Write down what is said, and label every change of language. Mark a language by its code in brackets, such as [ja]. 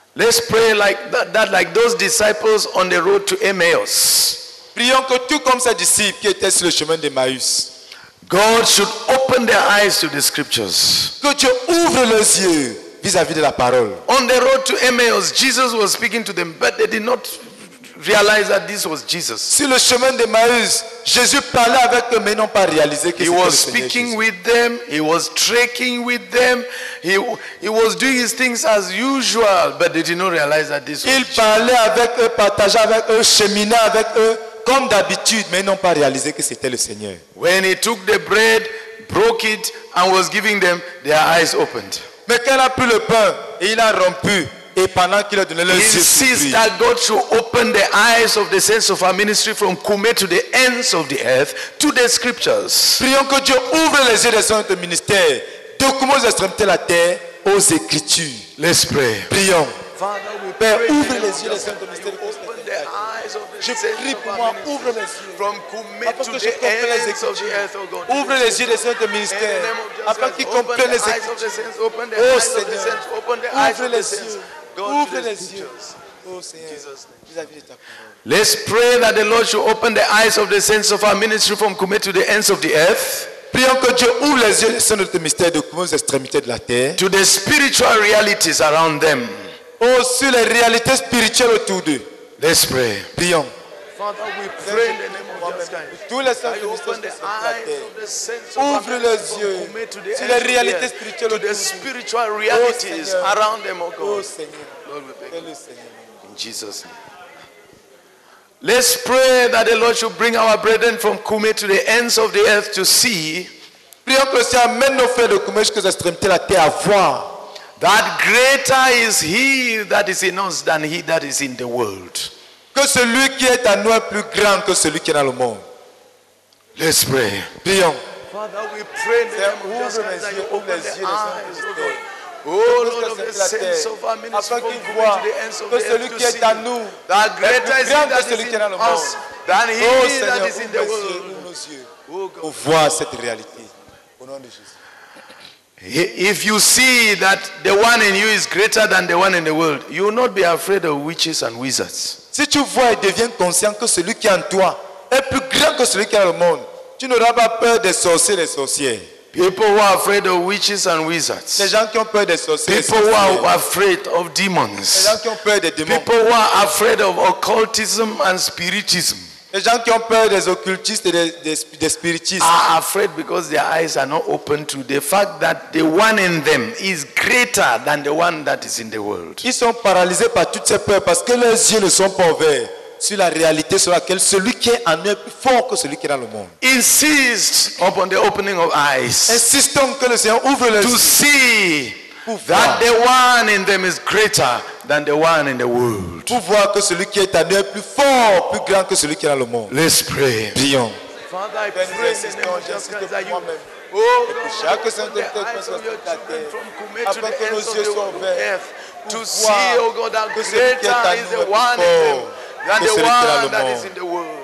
[en] Let's pray like that, like those disciples on the road to Emmaus. [fr] Prions que tout comme ces disciples qui étaient sur le chemin d'Emmaüs. [en] God should open their eyes to the scriptures. [fr] Que Dieu ouvre leurs yeux vis-à-vis de la parole. [en] On the road to Emmaus, Jesus was speaking to them, but they did not realize that this was Jesus. [fr] Sur le chemin d'Emmaüs, Jésus parlait avec eux, mais n'ont pas réalisé que c'était le Seigneur Jésus. [en] He was speaking with them. He was trekking with them. He was doing his things as usual, but they did not realize that this was Jesus. [fr] Il parlait avec eux, partageait avec eux, cheminait avec eux comme d'habitude, mais n'ont pas réalisé que c'était le Seigneur. [en] When he took the bread, broke it, and was giving them, their eyes opened. [fr] Mais quand il a pris le pain, il a rompu. Et pendant qu'il a donné leurs yeux, [en] he insists that God should open the eyes of the saints of our ministry from Kume to the ends of the earth to the scriptures. [fr] Prions que Dieu ouvre les yeux des saints de ministère de Kume aux extrémités de la terre aux Écritures. [en] Let's pray. [fr] Prions. Père, ouvre les yeux des saints de ministère. Je prie pour moi, ouvre les yeux [en] from Kume to the ends of the earth. [fr] Ouvre les yeux des saints de ministère afin qu'ils comprennent les écritures. Oh Seigneur, ouvre les yeux, ouvre les yeux. [en] Let's pray that the Lord should open the eyes of the saints of our ministry from Kumé to the ends of the earth. [fr] Prions que Dieu ouvre les yeux des saints de notre ministère de Kumé aux extrémités de la terre. [en] To the spiritual realities around them. [fr] Oh, sur les réalités spirituelles autour d'eux. [en] Let's pray. [fr] Prions. [en] Father, we pray in the name of Jesus Christ. I open the eyes of the saints of our ministry. [fr] Ouvre les yeux sur les réalités spirituelles autour d'eux. [en] To the spiritual realities around them, oh God. [fr] Oh Seigneur. [en] Lord, we beg you. In Jesus' name. Let's pray that the Lord should bring our brethren from Kumé to the ends of the earth to see. [fr] Prions que le Seigneur amène nos frères de Kumé jusqu'aux extrémités de la terre à voir. [en] That greater is he that is in us than he that is in the world. [fr] Que celui qui est en nous est plus grand que celui qui est dans le monde. [en] Let's pray. [fr] Prions. [en] Father, we pray in the name of Jesus Christ that you open the eyes of the Lord. Oh Lord of the saints of our ministry, [fr] afin qu'il voit que celui [en] the earth [fr] qui est en nous [en] that greater is that is in us than he that is in the world. [fr] On voit cette réalité au nom de Jésus. [en] If you see that the one in you is greater than the one in the world, you will not be afraid of witches and wizards. [fr] Si tu vois et deviens conscient que celui qui est en toi est plus grand que celui qui est dans le monde, tu n'auras pas peur des sorciers et des sorcières. [en] People who are afraid of witches and wizards. [fr] Les gens qui ont peur des sorciers. [en] People who are afraid of demons. [fr] Les gens qui ont peur des démons. [en] People who are afraid of occultism and spiritism. [fr] Les gens qui ont peur des occultistes et des spiritistes. [en] Are afraid because their eyes are not open to the fact that the one in them is greater than the one that is in the world. [fr] Ils sont paralysés par toutes ces peurs parce que leurs yeux ne sont pas ouverts sur la réalité sur laquelle celui qui est en eux plus fort que celui qui est dans le monde. [en] Insist upon the opening of eyes. [fr] Insistons que le Seigneur ouvre les yeux. [en] To see [fr] pour [en] that [fr] voir. [en] The one in them is greater than the one in the world. [fr] Pour voir que celui qui est en eux plus fort, plus grand que celui qui est dans le monde. [en] Let's pray. [fr] Prions. [en] Father, I pray in the name of Jesus Christ that you open the eyes of your children from Kumé to the ends of the earth to see, oh God, that greater is the one in them. Than the one that is in the world.